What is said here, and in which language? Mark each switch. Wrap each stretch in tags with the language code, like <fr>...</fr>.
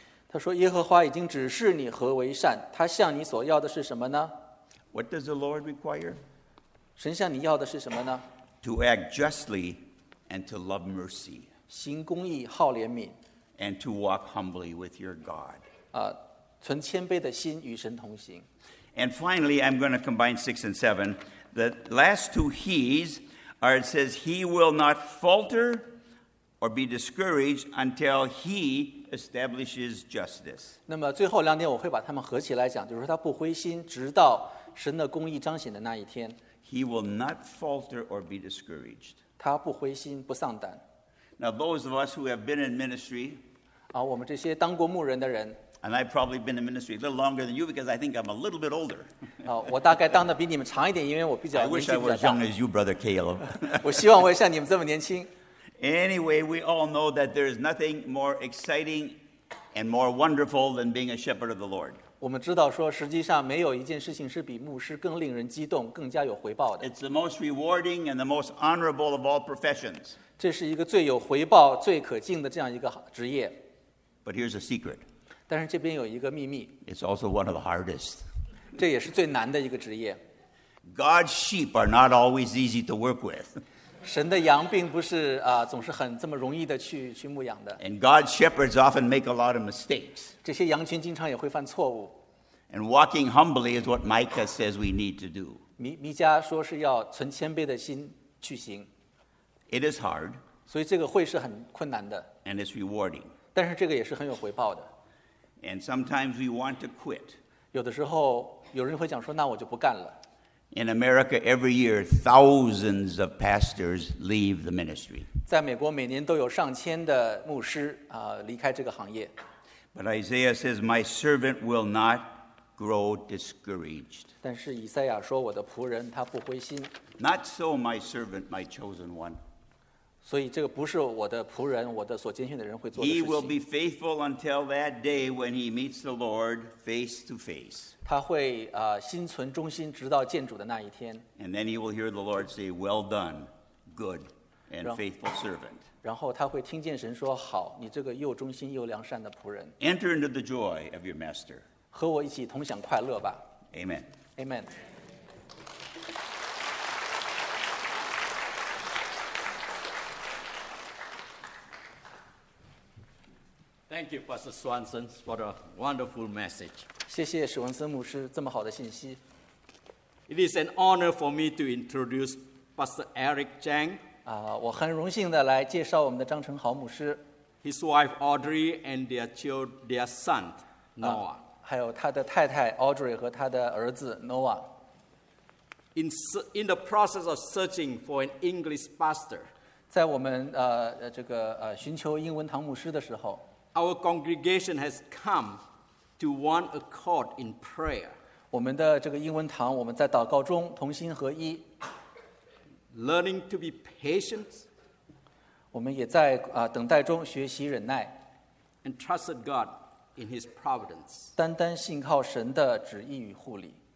<zh>他说耶和华已经指示你何为善，他向你所要的是什么呢？</zh> <en>What does the Lord require?</en> <zh>神向你要的是什么呢？</zh> <en>To act justly and to love mercy.</en> <zh>行公义，好怜悯。</zh> <en>And to walk humbly with your God.</en> <zh>存谦卑的心与神同行。</zh> <en>And finally, I'm going to combine 6 and 7. The last two he's are, it says, he will not falter or be discouraged until he establishes justice.</en> <zh>那么最后两点我会把它们合起来讲，就是说他不灰心，直到神的公义彰显的那一天。</zh> <en>He will not falter or be discouraged.</en> <zh>他不灰心，不丧胆。</zh> <en>Now those of us who have been in ministry,</en> <zh>我们这些当过牧人的人，</zh> <en>And I've probably been in ministry a little longer than you because I think I'm a little bit older.</en> <zh>我大概当的比你们长一点，因为我比较年纪比较大。</zh> <en>I wish I was young as you, Brother Caleb.</en> <zh>我希望我像你们这么年轻。</zh> <en>Anyway, we all know that there is nothing more exciting and more wonderful than being a shepherd of the Lord.</en> <zh>我们知道说，实际上没有一件事情是比牧师更令人激动、更加有回报的。</zh> <en>It's the most rewarding and the most honorable of all professions.</en> <zh>这是一个最有回报、最可敬的这样一个职业。</zh> <en>But here's a secret.</en> <zh>但是这边有一个秘密。</zh> <en>It's also one of the hardest.</en> <zh>这也是最难的一个职业。</zh> <en>God's sheep are not always easy to work with.</en> <zh>神的羊并不是总是很这么容易的去牧养的。</zh> <en>And God's shepherds often make a lot of mistakes.</en> <zh>这些羊群经常也会犯错误。</zh> <en>And walking humbly is what Micah says we need to do.</en> <zh>弥迦说是要存谦卑的心去行。</zh> <en>It is hard.</en> <zh>所以这个会是很困难的。</zh> <en>And it's rewarding.</en> <zh>但是这个也是很有回报的。</zh> <en>And sometimes we want to quit.</en> <zh>有的时候有人会讲说那我就不干了。</zh> <en>In America, every year, thousands of pastors leave the ministry.</en> <zh>在美国每年都有上千的牧师离开这个行业。</zh> <en>But Isaiah says, my servant will not grow discouraged.</en> <zh>但是以赛亚说我的仆人他不灰心。</zh> <en>Not so, my servant, my chosen one.</en> <zh>所以这个不是我的仆人，我的所拣选的人会做的事情。</zh> <en>He will be faithful until that day when he meets the Lord face to face.</en> <zh>他会心存忠心，直到见主的那一天。</zh> <en>And then he will hear the Lord say, "Well done, good and faithful servant."</en> <zh>然后他会听见神说，好，你这个又忠心又良善的仆人。</zh> <en>Enter into the joy of your master.</en> <zh>和我一起同享快乐吧。</zh> <en>Amen. Amen. Thank you, Pastor Swanson, for a wonderful message.</en> <zh>谢谢史文森牧师这么好的信息。</zh> <en>It is an honor for me to introduce Pastor Eric Chang.</en> <zh>我很荣幸的来介绍我们的张成豪牧师。</zh> <en>His wife Audrey and their son Noah.</en> <zh>还有他的太太 Audrey 和他的儿子 Noah.</zh> <en>In the process of searching for an English pastor,</en> <zh>在我们寻求英文堂牧师的时候。</zh> <en>Our congregation has come to one accord in prayer.</en> <zh>我们的这个英文堂，我们在祷告中同心合一。</zh> <en>learning to be patient.</en> <zh>我们也在等待中学习忍耐。</zh> <en>And trusted God in His providence.</en> <zh>单单信靠神的旨意与护理。</zh>